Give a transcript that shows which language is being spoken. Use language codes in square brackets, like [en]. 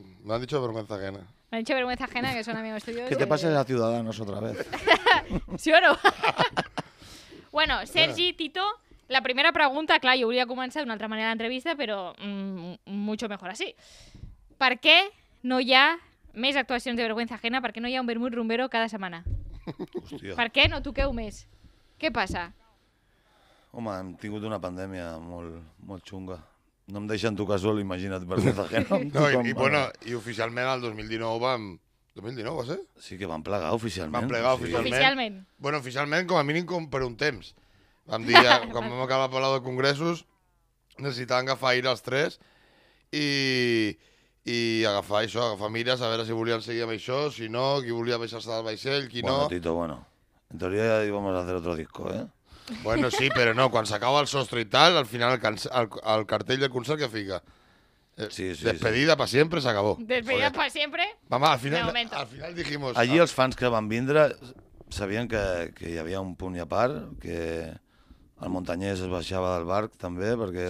[es] Me han dicho vergüenza ajena. Me han dicho vergüenza ajena, que son amigos tuyos. Que te pases a Ciudadanos otra vez. ¿Sí o no? [ca] Bueno, Sergi, Tito, la primera pregunta, clar, jo volia començar d'una altra manera l'entrevista, però [es] mucho mejor así. [ca] ¿Per què no hi ha més actuacions de vergüenza ajena? ¿Per què no hi ha un vermut rumbero cada setmana? Hòstia. ¿Per què no toqueu més? Què passa? Home, hem tingut una pandèmia molt, molt xunga. No em deixen tocar sol, imagina't, per tota gent. No, i bueno, i oficialment el 2019 vam... 2019 va ser? Sí, que vam plegar oficialment. Vam plegar oficialment. Oficialment. Bueno, oficialment, com a mínim com per un temps. Vam dir, ja, quan vam acabar parlant de congressos, necessitàvem agafar aire els tres i agafar això, agafar mires, a veure si volien seguir amb això, si no, qui volia baixar-se del vaixell, qui bueno, no. Bueno, Tito, bueno. [es] En teoria ja íbamos a hacer otro disco, eh? [ca] Bueno, sí, però no, quan s'acaba el sostre i tal, al final el cartell del concert que fica. [es] Sí, sí. Despedida sí. Pa siempre, s'acabó. Despedida pa siempre? Mama, al final dijimos... [ca] Allí els fans que van vindre sabien que hi havia un punt i a part, que el muntanyès es baixava del barc també, perquè...